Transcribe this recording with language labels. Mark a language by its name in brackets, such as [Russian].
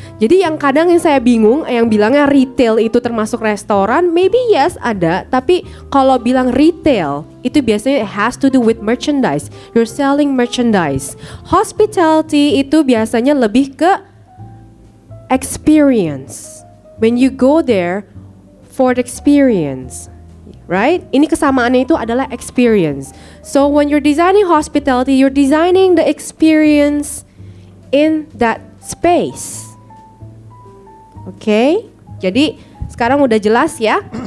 [Indonesian] Jadi yang kadang yang saya bingung, yang bilangnya retail itu termasuk restoran, [English] maybe yes [Indonesian] ada, tapi kalau bilang retail itu biasanya [English] it has to do with merchandise. You're selling merchandise. Hospitality [Indonesian] itu biasanya lebih ke [English] experience. When you go there for the experience, right? [Indonesian] Ini kesamaannya itu adalah experience. [English] So when you're designing hospitality, you're designing the experience in that space. Okay? [Indonesian] Jadi sekarang udah jelas ya.